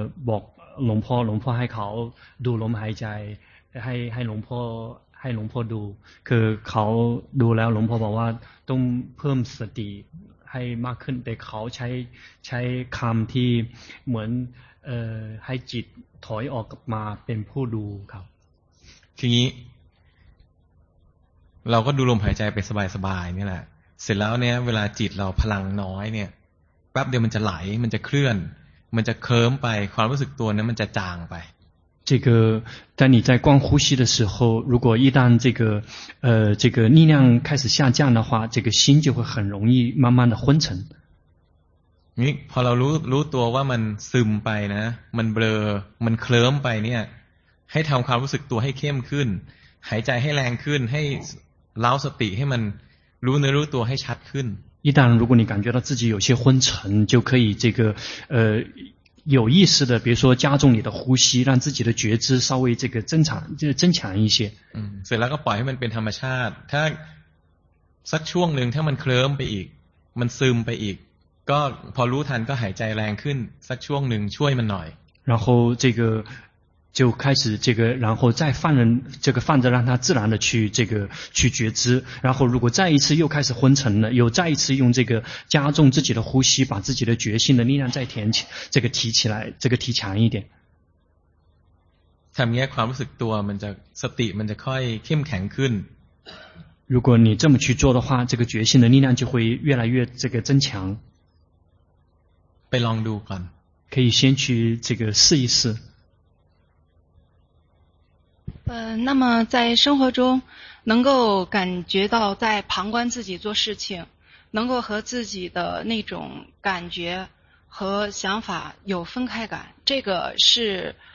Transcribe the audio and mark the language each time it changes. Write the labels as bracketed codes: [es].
[th] บอกหลวงพ่อให้เขาดูลมหายใจให้หลวงพ่อดูคือเขาดูแล้วหลวงพ่อบอกว่าต้องเพิ่มสติให้มากขึ้นแต่เขาใช้คำที่เหมือนให้จิตถอยออกกลับมาเป็นผู้ดูครับ ทีนี้เราก็ดูลมหายใจไปสบายๆนี่แหละเสร็จแล้วเนี่ยเวลาจิตเราพลังน้อยเนี่ยแป๊บเดียวมันจะไหลมันจะเคลื่อนมันจะเคลิ้มไปความรู้สึกตัวนั้นมันจะจางไป [zh] 这个在你在观呼吸的时候如果一旦这个力量开始下降的话这个心就会很容易慢慢的昏沉 [th] นี่พอเรารู้ตัวว่ามันซึมไปนะมันเบลอมันเคลิ้มไปเนี่ยให้ทำความรู้สึกตัวให้เข้มขึ้นหายใจให้แรงขึ้นให้เล้าสติให้มันรู้เนื้อรู้ตัวให้ชัดขึ้น [zh] 一旦如果你感觉到自己有些昏沉就可以这个有意识的比如说加重你的呼吸让自己的觉知稍微这个增强一些所以 [th] แล้วก็ปล่อยให้มันเป็นธรรมชาติถ้าสักช่วงนึงถ้ามันเคลิ้มไปอีกมันซึมไปอีกก็พอรู้ทันก็หายใจแรงขึ้นสักช่วงนึงช่วยมันหน่อย [zh] 然后这个就开始这个然后再放任这个放着让它自然的去这个去觉知然后如果再一次又开始昏沉了又再一次用这个加重自己的呼吸把自己的觉性的力量再填起这个提起来这个提强一点 [th] ทำงี้ความรู้สึกตัวมันจะสติมันจะค่อยเข้มแข็งขึ้น [zh] 如果你这么去做的话这个觉性的力量就会越来越这个增强 [th] ไปลองดูก่อน [zh] 可以先去这个试一试那么在生活中能够感觉到在旁观自己做事情能够和自己的那种感觉和想法有分开感这个是